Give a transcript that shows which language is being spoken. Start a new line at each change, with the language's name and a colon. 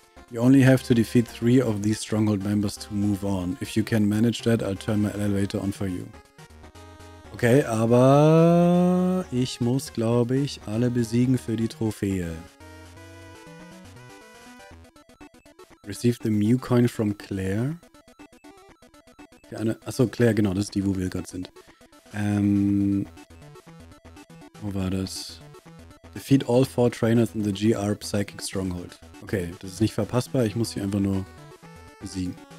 English: You only have to defeat 3 of these Stronghold members to move on. If you can manage that, I'll turn my elevator on for you.
German: Okay, aber ich muss, glaube ich, alle besiegen für die Trophäe.
English: Receive the Mew Coin from Claire.
German: Achso, Claire, genau, das ist die, wo wir gerade sind. Wo war das?
English: Defeat all 4 Trainers in the GR Psychic Stronghold.
German: Okay, das ist nicht verpassbar, ich muss sie einfach nur besiegen.